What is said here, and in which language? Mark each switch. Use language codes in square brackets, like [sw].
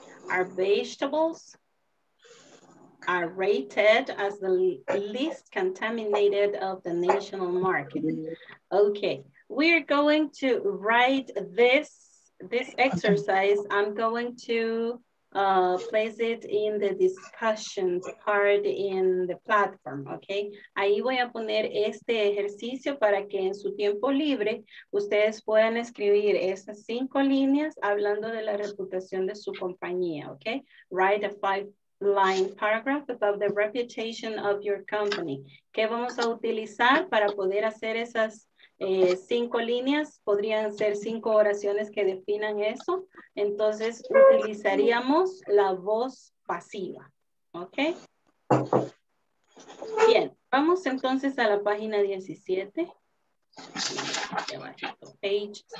[en] Are vegetables are rated as the least contaminated of the national market. Okay, we're going to write this exercise. I'm going to place it in the discussion part in the platform, okay? [es] Ahí voy a poner este ejercicio para que en su tiempo libre ustedes puedan escribir esas cinco líneas hablando de la reputación de su compañía, okay? [en] Write a five-line paragraph about the reputation of your company. [es] ¿Qué vamos a utilizar para poder hacer esas cinco líneas? Podrían ser cinco oraciones que definan eso. Entonces utilizaríamos la voz pasiva, ¿ok? Bien, vamos entonces a la página 17. [en] Page 17.